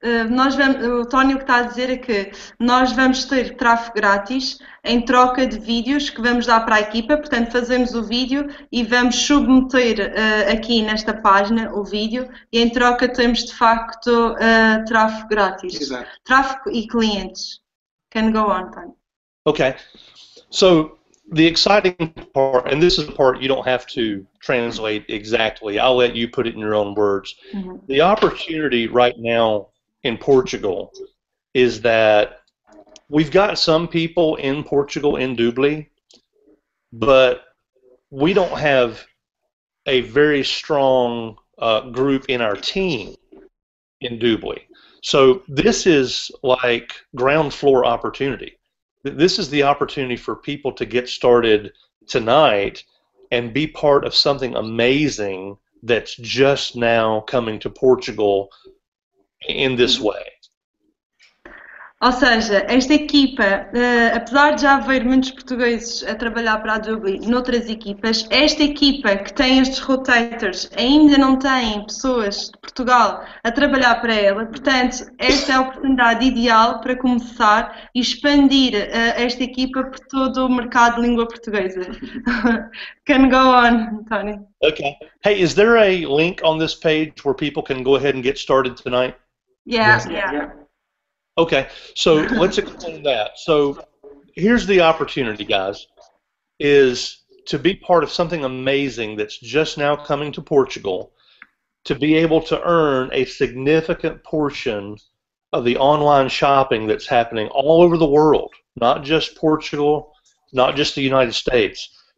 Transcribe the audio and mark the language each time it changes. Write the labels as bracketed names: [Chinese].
[Portuguese] nós vamos, o Tony, o que está a dizer é que nós vamos ter tráfego grátis em troca de vídeos que vamos dar para a equipa, portanto fazemos o vídeo e vamos submeter aqui nesta página o vídeo e em troca temos de facto tráfego grátis. Exato. Tráfego e clientes. [English] Can go on, Tony. Okay. So, the exciting part, and this is the part you don't have to translate exactly, I'll let you put it in your own words. Mm-hmm. The opportunity right now in Portugal is that we've got some people in Portugal in Dublin, but we don't have a very strong group in our team in Dublin. So this is like ground floor opportunity. This is the opportunity for people to get started tonight and be part of something amazing that's just now coming to Portugal in this way. [Portuguese] Ou seja, esta equipa, apesar de já haver muitos portugueses a trabalhar para a Dublin noutras equipas, esta equipa que tem estes rotators ainda não tem pessoas de Portugal a trabalhar para ela, portanto, esta é a oportunidade ideal para começar e expandir esta equipa por todo o mercado de língua portuguesa. [English] Can go on, Tony. Okay. Hey, is there a link on this page where people can go ahead and get started tonight? Yeah. Okay, so let's explain that. So here's the opportunity, guys, is to be part of something amazing that's just now coming to Portugal, to be able to earn a significant portion of the online shopping that's happening all over the world, not just Portugal, not just the United States.